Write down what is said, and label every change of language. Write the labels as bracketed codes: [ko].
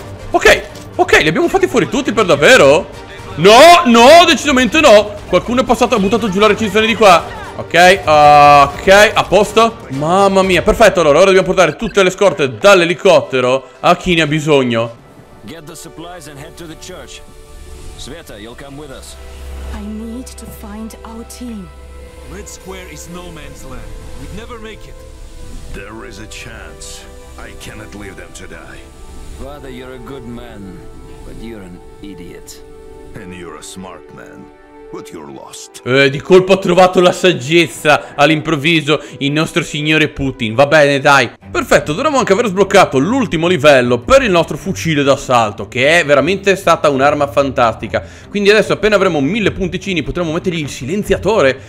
[it] Ok, ok, li abbiamo fatti fuori tutti per davvero? No, no, decisamente no. Qualcuno è passato, ha buttato giù la recinzione di qua. Ok, ok, a posto. Mamma mia, perfetto. Allora, ora dobbiamo portare tutte le scorte dall'elicottero a chi ne ha bisogno. [en] Get the supplies and head to the church. Sveta, you'll come with us. I need to find our team. Red Square is no man's land. We'd never make it. There is a chance. I cannot leave them to die. Father, you're a good man, but you're an idiot. And you're a smart man. But you're lost. [it] Di colpo ha trovato la saggezza all'improvviso il nostro signore Putin. Va bene, dai. Perfetto, dovremmo anche aver sbloccato l'ultimo livello per il nostro fucile d'assalto, che è veramente stata un'arma fantastica. Quindi adesso appena avremo 1000 punticini potremo mettergli il silenziatore.